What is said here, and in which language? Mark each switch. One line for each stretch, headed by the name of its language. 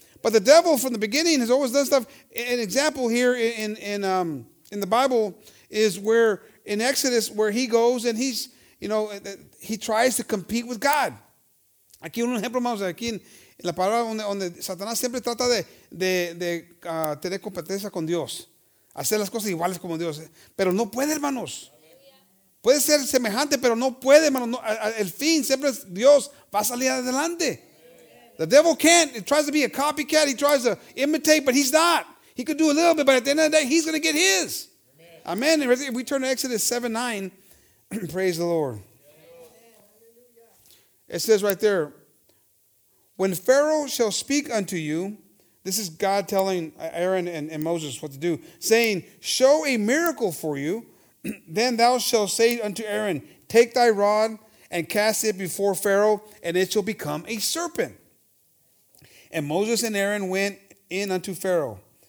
English: But the devil, from the beginning, has always done stuff. An example here in the Bible is where in Exodus, where he goes and he's, you know, he tries to compete with God.
Spanish: Aquí un ejemplo, hermanos. Aquí en la palabra donde Satanás siempre trata de tener competencia con Dios, hacer las cosas iguales como Dios, pero no puede, hermanos. Puede ser semejante, pero no puede, hermano. No, el fin siempre es Dios va a salir adelante.
English: The devil can't. He tries to be a copycat. He tries to imitate, but he's not. He could do a little bit, but at the end of the day, he's going to get his. Amen. Amen. If we turn to Exodus 7:9, praise the Lord. It says right there, when Pharaoh shall speak unto you, this is God telling Aaron and Moses what to do, saying, show a miracle for you, then thou shalt say unto Aaron, take thy rod and cast it before Pharaoh, and it shall become a serpent. And Moses and Aaron went in unto Pharaoh.